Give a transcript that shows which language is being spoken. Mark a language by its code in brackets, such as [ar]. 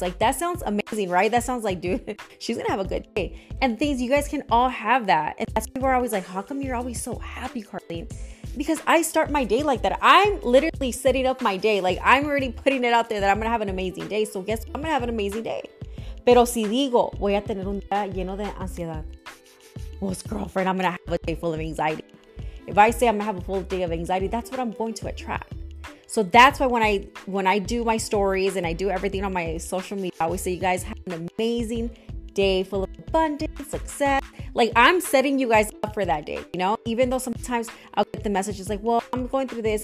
[en] Like, that sounds amazing, right? That sounds like, dude, she's going to have a good day. And things, you guys can all have that. And that's why we're always like, how come you're always so happy, Carlene? Because I start my day like that. I'm literally setting up my day. Like, I'm already putting it out there that I'm going to have an amazing day. So guess what? I'm going to have an amazing day. [es] Pero si digo, voy a tener un día lleno de ansiedad. [en] Well, girlfriend, I'm going to have a day full of anxiety. If I say I'm going to have a full day of anxiety, that's what I'm going to attract. So that's why when I do my stories and I do everything on my social media, I always say, you guys have an amazing day full of abundance, success. Like, I'm setting you guys up for that day, you know? Even though sometimes I'll get the messages like, well, I'm going through this.